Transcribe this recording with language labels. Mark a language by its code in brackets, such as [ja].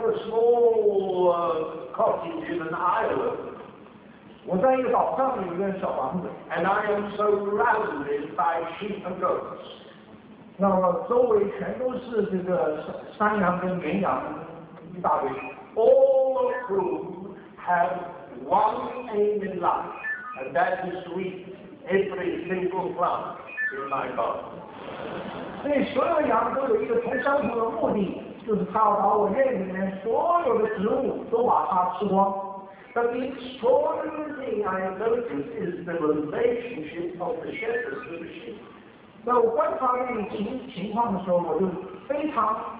[en] I have a small cottage in an island. [zh] 我在一个岛上有一个小房子。 [en] And I am surrounded by sheep and goats. [zh] 那么周围全都是这个山羊跟绵羊一大堆。 [en] All of whom have one aim in life, and that is to eat every single plant in my garden. [zh] 所以所有羊都有一个同相同的目的，就是它要把我院里面所有的植物都把它吃光。 [en] But the extraordinary thing I notice is the relationship of the shepherd to the sheep. [zh] 在我观察这种情况的时候，我就非常。